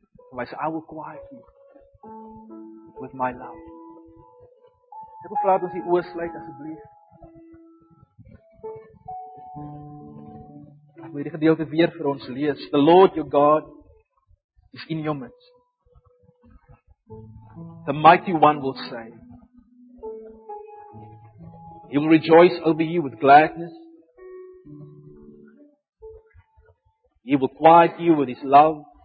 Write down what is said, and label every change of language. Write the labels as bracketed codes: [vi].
[af] Maar [en] so I will quiet you with my love. [af] Ek wil vra dat ons die oë sluit asseblief. Ek wil hierdie gedeelte weer vir ons lees. [en] The Lord your God is in your midst. The mighty one will save. He will rejoice over you with gladness. He will quiet you with his love.